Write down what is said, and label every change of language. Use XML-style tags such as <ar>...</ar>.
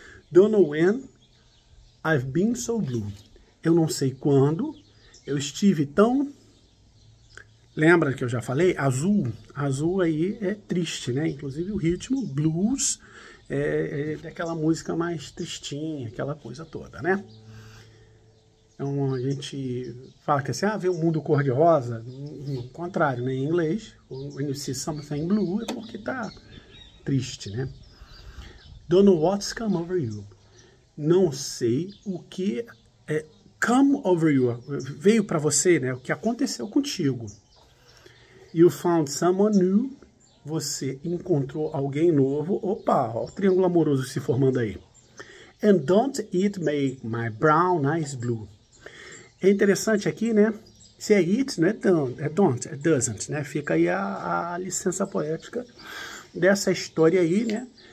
<en>Don't know when I've been so blue.</en> <pt>Eu não sei quando eu estive tão. Lembra que eu já falei? Azul. Azul aí é triste, né? Inclusive o ritmo blues é daquela música mais tristinha, aquela coisa toda, né? Então, a gente fala que assim, ah, vê o mundo cor-de-rosa, no contrário, né? Em inglês,</pt> <en>when you see something blue,</en> <pt>é porque tá triste, né?</pt> <en>Don't know what's come over you.</en> <pt>Não sei o que é</pt> <en>come over you,</en> <pt>veio para você, né? O que aconteceu contigo.</pt> <en>You found someone new,</en> <pt>você encontrou alguém novo. Opa, ó, o triângulo amoroso se formando aí.</pt> <en>And don't it make my brown eyes blue.</en> <pt>É interessante aqui, né? Se é it, não é don't, é don't, é doesn't, né? Fica aí a licença poética dessa história aí, né?</pt>